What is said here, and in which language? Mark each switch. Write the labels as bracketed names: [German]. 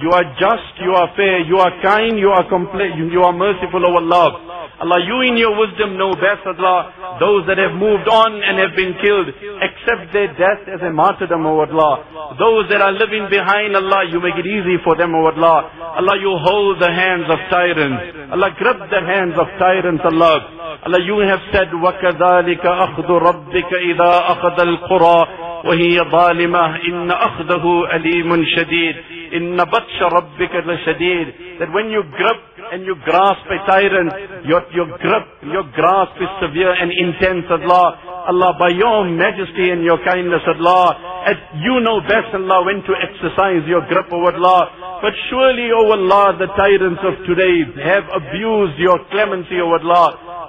[English] You are just, you are fair, you are kind, you are complete, you are merciful, O Allah. Allah, you in your wisdom know best, Allah, those that have moved on and have been killed, accept their death as a martyrdom, O Allah. Those that are living behind, Allah, you make it easy for them, O Allah. Allah, you hold the hands of tyrants. Allah, grip the hands of tyrants, Allah. Allah, you have said, [Arabic] وَكَذَلِكَ أَخْذُ رَبِّكَ إِذَا أَخَذَ الْقُرَىٰ وَهِيَ ظَالِمَةٌ إِنَّ أَخْذَهُ أَلِيمٌ شَدِيدٌ إِنَّ بَطْشَ رَبِّكَ لَشَدِيدٌ. [English] That when you grip and you grasp a tyrant, your grip, your grasp is severe and intense, Allah. Allah, by your majesty and your kindness, Allah, as you know best, Allah, when to exercise your grip, O Allah. But surely, O Allah, the tyrants of today have abused your clemency, O Allah.